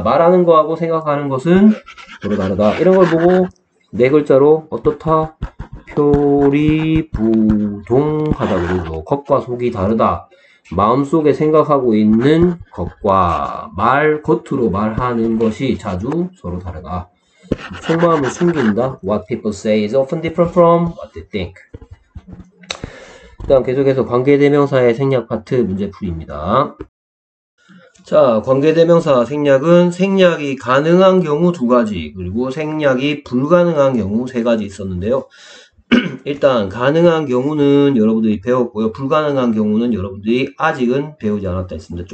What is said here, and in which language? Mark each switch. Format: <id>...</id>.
<ko>말하는 거하고 생각하는 것은 서로 다르다. 이런 걸 보고 네 글자로 어떻다? 표리부동하다고 그러죠. 겉과 속이 다르다. 마음속에 생각하고 있는 겉과 말, 겉으로 말하는 것이 자주 서로 다르다. 속마음을 숨긴다.</ko> <en>What people say is often different from what they think.</en> <ko>일단 계속해서 관계대명사의 생략 파트 문제 풀이입니다. 자, 관계대명사 생략은 생략이 가능한 경우 두 가지, 그리고 생략이 불가능한 경우 세 가지 있었는데요. 일단, 가능한 경우는 여러분들이 배웠고요. 불가능한 경우는 여러분들이 아직은 배우지 않았다 했습니다.</ko>